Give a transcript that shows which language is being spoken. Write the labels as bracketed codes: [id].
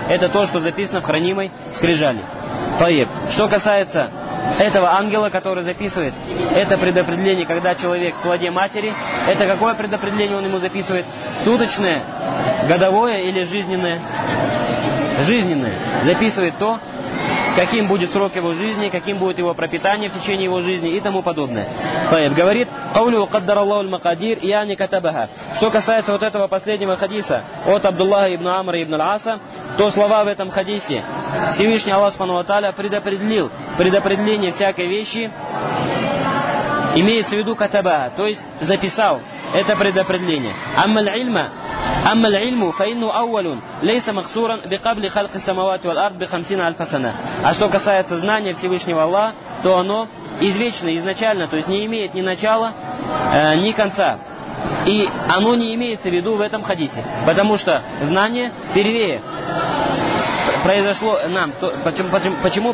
[ru] Это то, что записано в хранимой скрижали. Что касается этого ангела, который записывает это предопределение, когда человек в плоде матери, это какое предопределение он ему записывает? Суточное, годовое или жизненное? Жизненное. Записывает то, каким будет срок его жизни, каким будет его пропитание в течение его жизни и тому подобное. Таиб говорит, [ar] قوله قدر الله المقادير يعني كتبها. [ru] Что касается вот этого последнего хадиса от Абдуллаха ибн Амра ибн Аса, то слова в этом хадисе Всевышний Аллах субхана ва тааля предопределил предопределение всякой вещи, имеется в виду катабаха, то есть записал это предопределение. [ar] أما العلم فإنه أول ليس مقصورا بقبل خلق السماوات والأرض بخمسين ألف سنة. [ru] А что касается знания Всевышнего Аллаха, то оно извечно, изначально, то есть не имеет ни начала, ни конца. И оно не имеется в виду в этом хадисе, потому что знание первее произошло нам. Почему?